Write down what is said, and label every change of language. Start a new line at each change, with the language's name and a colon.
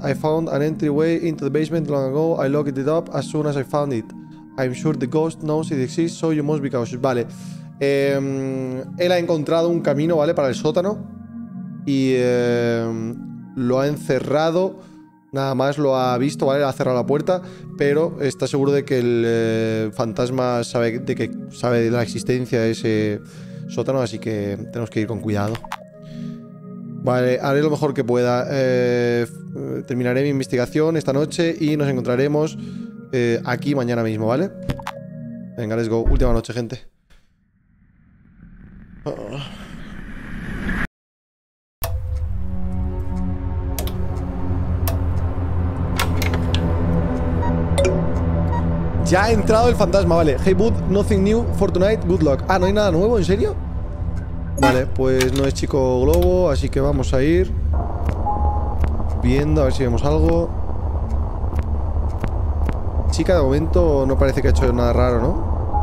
English: I found an entryway into the basement long ago. I locked it up as soon as I found it. I'm sure the ghost knows it exists, so you must be cautious.
Spanish: Vale. Él ha encontrado un camino, ¿vale? Para el sótano. Y lo ha encerrado. Nada más lo ha visto, ¿vale? Ha cerrado la puerta, pero está seguro de que el fantasma sabe de que sabe de la existencia de ese sótano, así que tenemos que ir con cuidado. Vale, haré lo mejor que pueda. Terminaré mi investigación esta noche y nos encontraremos aquí mañana mismo, ¿vale? Venga,
English: let's go.
Spanish: Última noche, gente. Oh. Ya ha entrado el fantasma, vale.
English: Hey, Bud, nothing new for tonight, good luck.
Spanish: Ah, ¿no hay nada nuevo? ¿En serio? Vale, pues no es chico globo, así que vamos a ir viendo, a ver si vemos algo. chica de momento no parece que ha hecho nada raro, ¿no?